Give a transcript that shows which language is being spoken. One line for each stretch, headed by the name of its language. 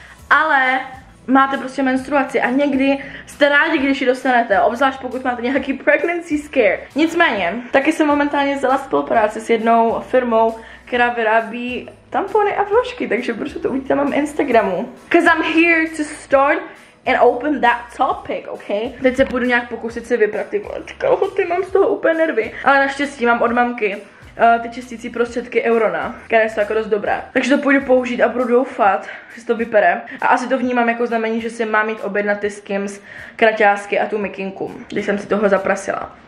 Czech: ale máte prostě menstruaci a někdy jste rádi, když ji dostanete, obzvlášť pokud máte nějaký
English: pregnancy scare.
Czech: Nicméně, taky jsem momentálně vzala spolupráci s jednou firmou, která vyrábí tampony a vložky, takže prostě to uvidíte na mém Instagramu.
English: Cause I'm here to start and open that topic, okay?
Czech: Teď se půjdu nějak pokusit si vyprat ty vločka, ty mám z toho úplně nervy. Ale naštěstí mám od mamky ty čistící prostředky Eurona, které jsou jako dost dobré. Takže to půjdu použít a budu doufat, že se to vypere. A asi to vnímám jako znamení, že si mám jít objednat ty Skims, kraťásky a tu mikinku, když jsem si toho zaprasila.